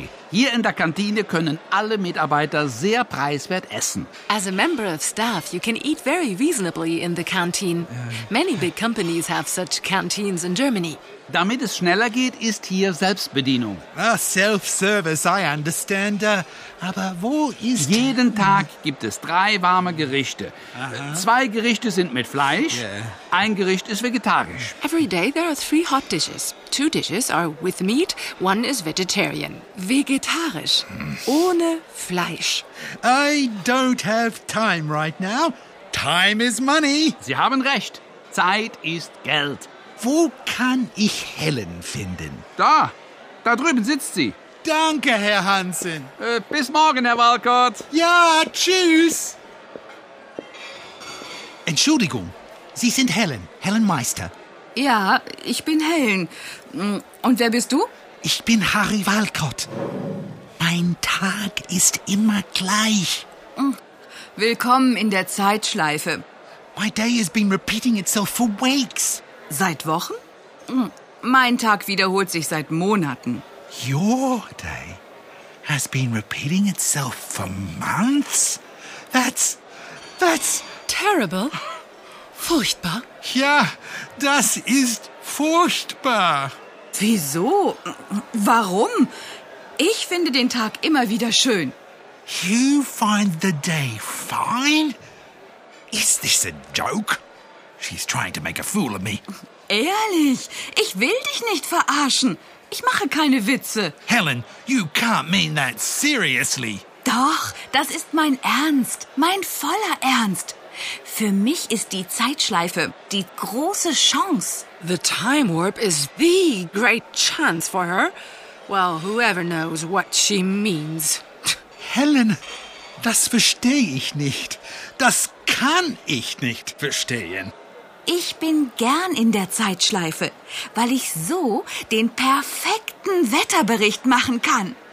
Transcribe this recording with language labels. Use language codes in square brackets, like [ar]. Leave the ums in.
[de] Hier in der Kantine können alle Mitarbeiter sehr preiswert essen. [en] As a member of staff, you can eat very reasonably in the canteen. Uh, Many big companies have such canteens in Germany. [de] Damit es schneller geht, ist hier Selbstbedienung. [en] Ah, uh, self-service, I understand. [de] Uh, aber wo ist... Jeden Tag gibt es drei warme Gerichte. -huh. Zwei Gerichte sind mit Fleisch, yeah. ein Gericht ist vegetarisch. [en] Every day there are three hot dishes. Two dishes are with meat, one is vegetarian. Vegan [de] vegetarisch, ohne Fleisch. [en] I don't have time right now. Time is money. [de] Sie haben recht. Zeit ist Geld. Wo kann ich Helen finden? Da, da drüben sitzt sie. Danke, Herr Hansen. Äh, bis morgen, Herr Walcott. Ja, tschüss. Entschuldigung, Sie sind Helen, Helen Meister. Ja, ich bin Helen. Und wer bist du? Ich bin Harry Walcott. Mein Tag ist immer gleich. Mm. Willkommen in der Zeitschleife. [en] My day has been repeating itself for weeks. [de] Seit Wochen? Mm. Mein Tag wiederholt sich seit Monaten. [en] Your day has been repeating itself for months? That's. that's. terrible. [de] Furchtbar? Ja, das ist furchtbar. Wieso? Warum? Ich finde den Tag immer wieder schön. [en] You find the day fine? Is this a joke? She's trying to make a fool of me. [de] Ehrlich, ich will dich nicht verarschen. Ich mache keine Witze. [en] Helen, you can't mean that seriously. [de] Doch, das ist mein Ernst, mein voller Ernst. Für mich ist die Zeitschleife die große Chance. [en] The time warp is the great chance for her. Well, whoever knows what she means. [de] Tch, Helen, das verstehe ich nicht. Das kann ich nicht verstehen. Ich bin gern in der Zeitschleife, weil ich so den perfekten Wetterbericht machen kann.